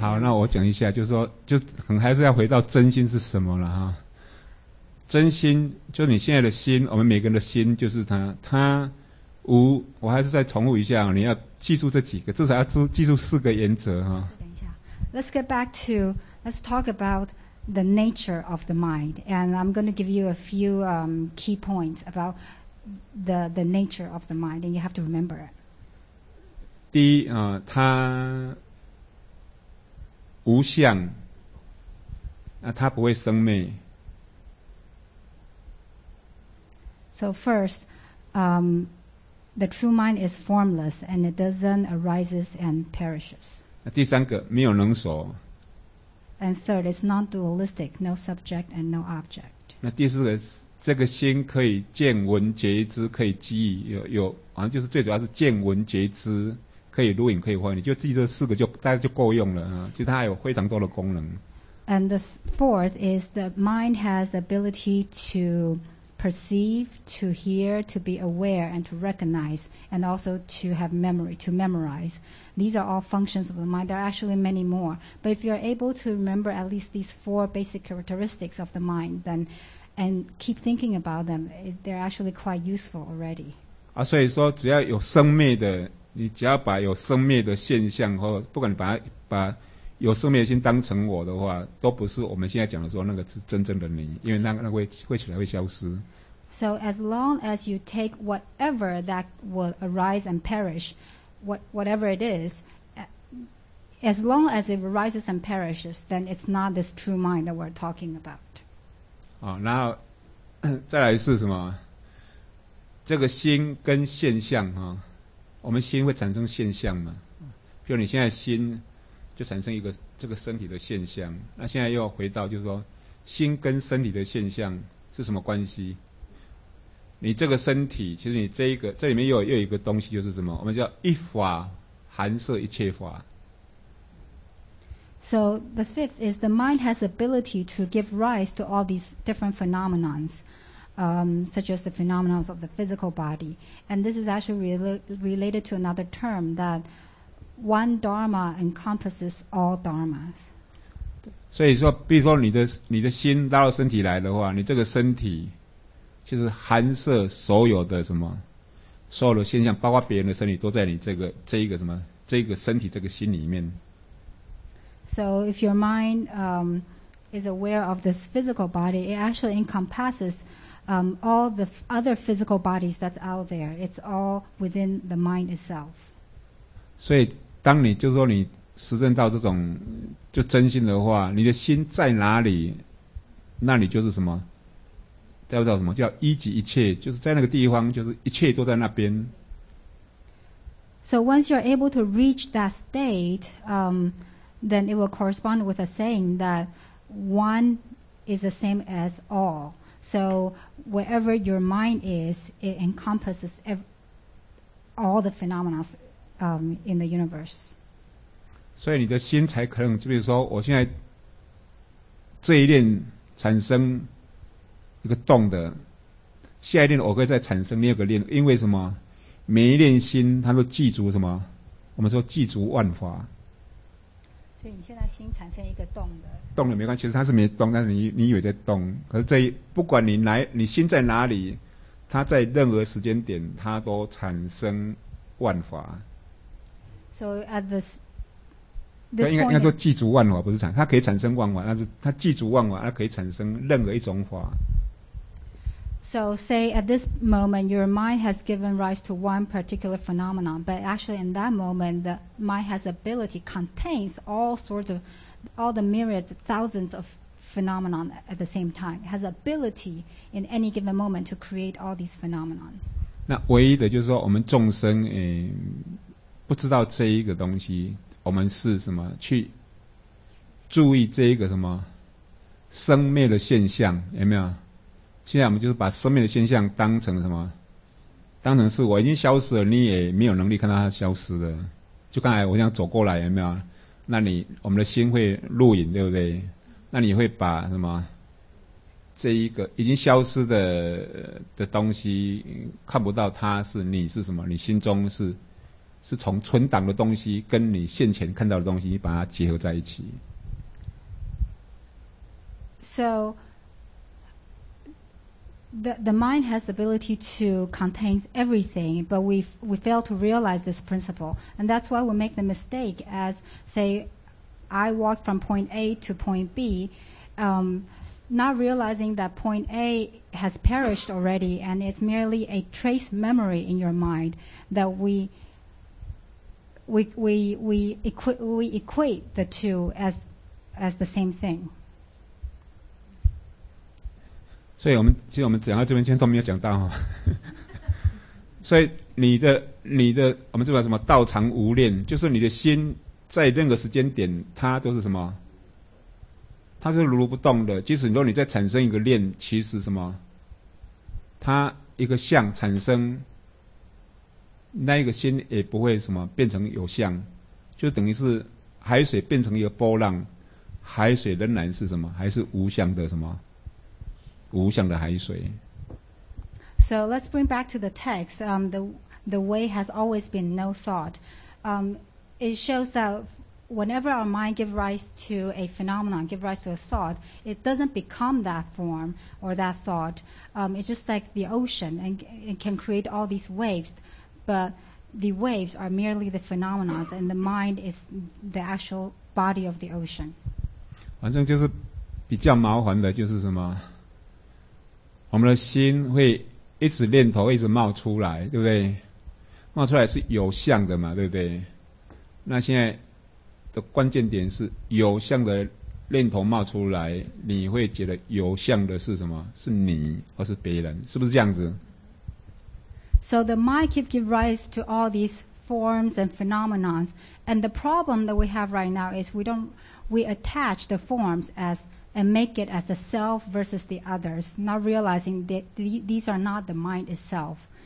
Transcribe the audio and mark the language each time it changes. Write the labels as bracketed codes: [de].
[zh] 好，那我讲一下，就是说，就很还是要回到真心是什么了哈。真心就你现在的心，我们每个人的心就是它无。我还是再重复一下，你要记住这几个，至少要记住四个原则哈。等一下 [en] ，Let's talk about. The nature of the mind, and I'm going to give you a few key points about the nature of the mind, and you have to remember it. [zh] 第一，它无相，它不会生灭。 [en] So first, the true mind is formless, and it doesn't arises and perishes. [zh] 第三个，没有能所。 [en] And third, it's non-dualistic, no subject and no object. [zh] 那第四个，这个心可以见闻觉知，可以记忆，有好像就是最主要是见闻觉知，可以录影，可以幻，你就记这四个就大概就够用了啊。其实它有非常多的功能。 [en] And the fourth is the mind has the ability to perceive, to hear, to be aware, and to recognize, and also to have memory, to memorize. These are all functions of the mind. There are actually many more. But if you are able to remember at least these four basic characteristics of the mind, then, and keep thinking about them, they're actually quite useful already. [zh] 啊，所以说只要有生灭的，你只要把有生灭的现象或不管你把有生灭心当成我的话，都不是我们现在讲的说那个是真正的你，因为那个会起来会消失。 [en] So as long as you take whatever that will arise and perish, whatever it is, as long as it arises and perishes, then it's not this true mind that we're talking about. [zh] 好，然后再来是什么？这个心跟现象哈，我们心会产生现象嘛？譬如你现在心。就产生一个这个身体的现象，那现在又回到就是说，心跟身体的现象是什么关系？你这个身体，其实你这一个这里面又有一个东西，就是什么？我们叫一法含摄一切法。 [en] So the fifth is the mind has ability to give rise to all these different phenomenons. such as the phenomena of the physical body. And this is actually related to another term, that one dharma encompasses all dharmas. [zh] 所以说，比如说你的心拉到身体来的话，你这个身体就是含摄所有的什么，所有的现象，包括别人的身体，都在你这一个什么，这个身体这个心里面。 [en] So if your mind is aware of this physical body, it actually encompasses all the other physical bodies that's out there. It's all within the mind itself. [zh] 所以当你就是说你实证到这种就真心的话，你的心在哪里，那你就是什么叫做什么叫一即一切，就是在那个地方，就是一切都在那边。 [en] So once you're able to reach that state, then it will correspond with a saying that one is the same as all. So wherever your mind is, it encompasses all the phenomena in the universe. [zh] 所以你的心才可能，就比如说我现在这一念产生一个动的，下一念我可以再产生另一个念，因为什么？每一念心它都具足什么？我们说具足万法。所以你现在心产生一个动的，动了没关系，其实它是没动，但是你以为在动，可是这不管你心在哪里，它在任何时间点它都产生万法。 [en] So at this [zh] 应该说具足万法，不是它可以产生万法，但是它具足万法，它可以产生任何一种法。 [en] So say at this moment your mind has given rise to one particular phenomenon, but actually in that moment the mind has ability contains all sorts of all the myriads, thousands of phenomena at the same time. It has ability in any given moment to create all these phenomena. [zh] 那唯一的就是说我们众生不知道这一个东西，我们是什么去注意这一个什么生灭的现象，有没有？现在我们就是把生命的现象当成什么，当成是我已经消失了，你也没有能力看到它消失的。就刚才我想走过来，有没有？那你我们的心会录影，对不对？那你会把什么这一个已经消失的东西看不到，它是你是什么，你心中是从存档的东西跟你现前看到的东西你把它结合在一起。 [en] SoThe mind has the ability to contain everything, but we fail to realize this principle. And that's why we make the mistake as, say, I walk from point A to point B, not realizing that point A has perished already and it's merely a trace memory in your mind, that we equate the two as the same thing. [zh] 所以我们讲到这边，今天都没有讲到哈。所以你的，我们这边什么道常无恋，就是你的心在任何时间点，它都是什么？它是如如不动的。即使你说你在产生一个恋，其实什么？它一个相产生，那一个心也不会什么变成有相，就等于是海水变成一个波浪，海水仍然是什么？还是无相的什么？无相的海水。 [en] So let's bring back to the text. The way has always been no thought. It shows that whenever our mind gives rise to a phenomenon, gives rise to a thought, it doesn't become that form or that thought. It's just like the ocean, and it can create all these waves, but the waves are merely the phenomena, and the mind is the actual body of the ocean. [zh] 反正就是比较麻烦的就是什么？我们的心会一直念头一直冒出来，对不对？冒出来是有相的嘛，对不对？那现在的关键点是有相的念头冒出来，你会觉得有相的是什么？是你或是别人，是不是这样子？ [en] So the mind keep give rise to all these forms and phenomena, and the problem that we have right now is we attach the forms asand make it as the self versus the others, not realizing that these are not the mind itself.